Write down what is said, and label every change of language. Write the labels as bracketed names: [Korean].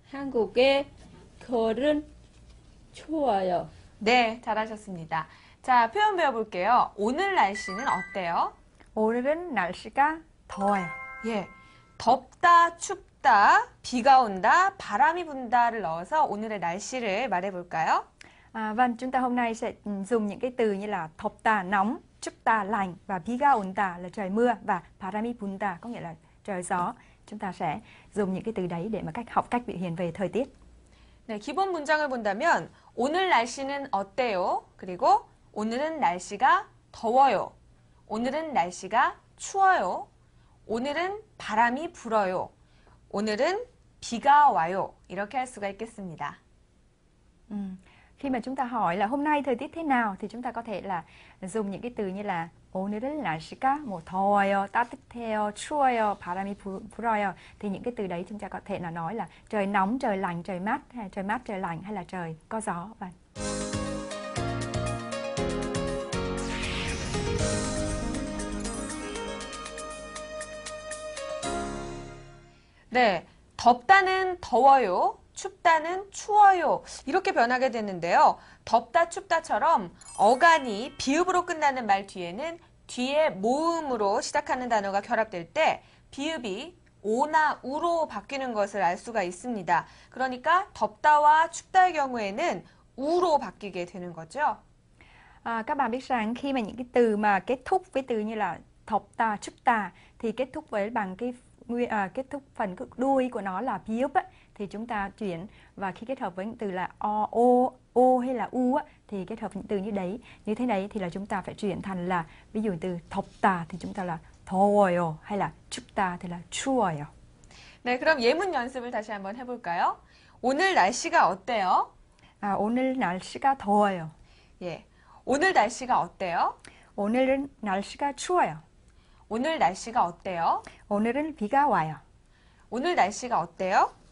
[Korean] 한국의 겨울은 추워요. 네, 잘하셨습니다. 자, 표현 배워볼게요. 오늘 날씨는 어때요? 오늘은 날씨가 더워요. 예, 덥다, 춥다, 비가 온다, 바람이 분다를 넣어서 오늘의 날씨를 말해볼까요? [Vietnamese] 아, vâng, chúng ta hôm nay sẽ dùng những cái từ như là 덥다, nóng, chúng ta lạnh và [Korean] biga onda [Vietnamese] là trời mưa và [Korean] parami punda [Vietnamese] có nghĩa là trời gió. Chúng ta sẽ dùng những cái từ đấy để mà cách học cách biểu hiện về thời tiết. [Korean] 네, 기본 문장을 본다면 오늘 날씨는 어때요? 그리고 오늘은 날씨가 더워요. 오늘은 날씨가 추워요. 오늘은 바람이 불어요. 오늘은 비가 와요. 이렇게 할 수가 있겠습니다. [Vietnamese] Khi mà chúng ta hỏi là hôm nay thời tiết thế nào thì chúng ta có thể là dùng những cái từ như là [Korean] 오늘은 날씨가 뭐 더워요, 따뜻해요, 추워요, 바람이 불어요. [Vietnamese] Thì những cái từ đấy chúng ta có thể là nói là trời nóng, trời lạnh, trời mát, hay trời mát, trời lạnh hay là trời có gió. Vâng. [Korean] Đây, 덥다는 더워요. 춥다는 추워요. 이렇게 변하게 되는데요. 덥다, 춥다처럼 어간이 비읍으로 끝나는 말 뒤에는 뒤에 모음으로 시작하는 단어가 결합될 때 비읍이 오나 우로 바뀌는 것을 알 수가 있습니다. 그러니까 덥다와 춥다의 경우에는 우로 바뀌게 되는 거죠. [Vietnamese] Các bạn biết rằng khi mà những cái từ mà kết thúc với từ như là 덥다, 춥다 thì kết thúc với bằng cái kết thúc phần đuôi của nó là 비읍 thì chúng ta chuyển và khi kết hợp với những từ là o hay là u thì kết hợp những từ như đấy như thế này thì là chúng ta phải chuyển thành là ví dụ từ 덥다 thì chúng ta là 더워요 hay là 춥다 thì là 추워요. [Korean] 네, 그럼 예문 연습을 다시 한번 해볼까요? 오늘 날씨가 어때요? 아, 오늘 날씨가 더워요. 예, 오늘 날씨가 어때요? 오늘은 날씨가 추워요. 오늘 날씨가 어때요? 오늘은 비가 와요. 오늘 날씨가 어때요?